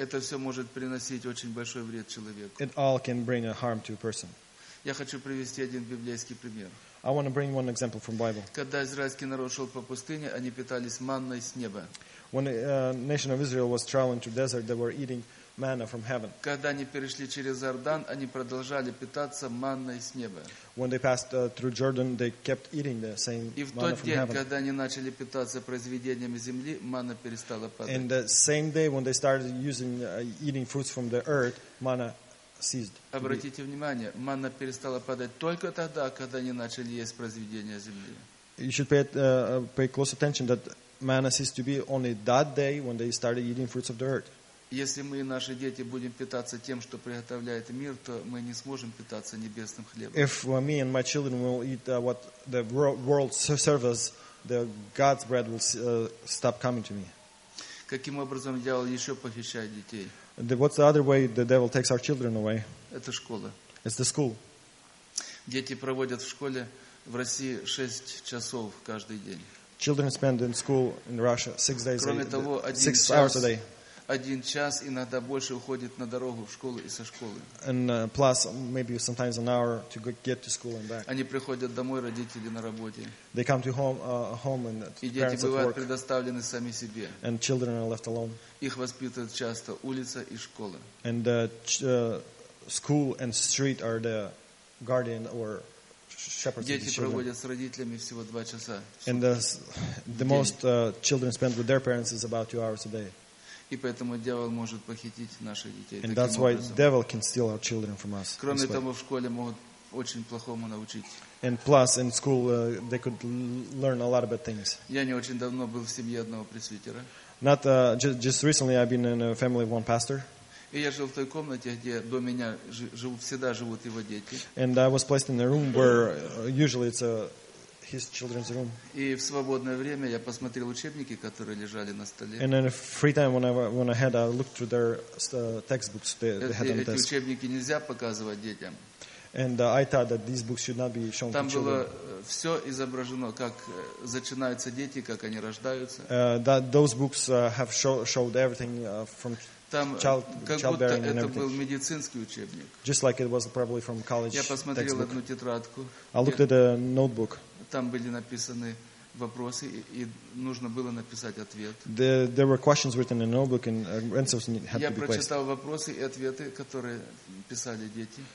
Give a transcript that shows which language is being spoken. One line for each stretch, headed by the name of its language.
Russian: Это все может приносить очень большой вред человеку.
English: It all can bring a harm to a person.
Russian: Я хочу привести один библейский пример.
English: I want to bring one example from Bible.
Russian: Когда израильский народ шел по пустыне, они питались манной с неба.
English: When the nation of Israel was traveling through the desert, they were eating manna from heaven.
Russian: Когда они перешли через Иордан, они продолжали питаться манной с неба.
English: When they passed through Jordan, they kept eating the same manna from heaven.
Russian: И в тот день, когда они начали питаться произведениями земли, манна перестала падать.
English: And the same day when they started using eating fruits from the earth, manna ceased.
Russian: Обратите внимание, манна перестала падать только тогда, когда они начали есть произведения земли.
English: You should pay close attention that manna ceased to be only that day when they started eating fruits of the earth.
Russian: Если мы и наши дети будем питаться тем, что приготовляет мир, то мы не сможем питаться небесным хлебом.
English: If me and my children will eat what the world serves us, the God's bread will stop coming to me.
Russian: Каким образом дьявол еще похищает детей?
English: What's the other way the devil takes our children away?
Russian: Это школа.
English: It's the school.
Russian: Дети проводят в школе в России 6 часов каждый день.
English: Children spend in school in Russia 6 days
Russian: Кроме a, того, один 6 час,
English: hours a day.
Russian: Один час иногда больше уходит на дорогу в школу и со школы.
English: And plus maybe sometimes an hour to get to school and back.
Russian: Они приходят домой, родители на работе.
English: They come to home, home and
Russian: И дети бывают предоставлены сами себе.
English: And children are left alone.
Russian: Их воспитывают часто улица и школа.
English: And school and street are the guardian or
Russian: Дети проводят с родителями всего 2 часа.
English: And the most children spend with their parents is about 2 hours a day.
Russian: И поэтому дьявол может похитить наших детей.
English: And that's why devil can steal our children from us.
Russian: Кроме того, в школе могут очень плохому научить.
English: And plus in school they could learn a lot of bad things.
Russian: Я не очень давно был в семье одного пресвитера.
English: Not just recently I've been in a family of one pastor.
Russian: И я жил в той комнате, где до меня всегда живут его дети.
English: And I was placed in a room where usually it's his children's room.
Russian: И в свободное время я посмотрел учебники, которые лежали на столе.
English: And in a free time when I had I looked through their textbooks they had on the desk.
Russian: Эти учебники нельзя показывать детям.
English: And I thought that these books should not be shown
Russian: Там
English: to children.
Russian: Там было все изображено, как начинаются дети, как они рождаются.
English: Those books have showed everything from
Russian: Там,
English: childbearing
Russian: как будто
English: and
Russian: это был медицинский учебник.
English: Just like it was probably from college
Russian: Я посмотрел
English: textbook.
Russian: Одну тетрадку.
English: I looked at a notebook.
Russian: Там были написаны вопросы, и нужно было написать ответ.
English: There were questions written in a notebook, and answers had to be placed.
Russian: Я прочитал вопросы и ответы, которые писали дети.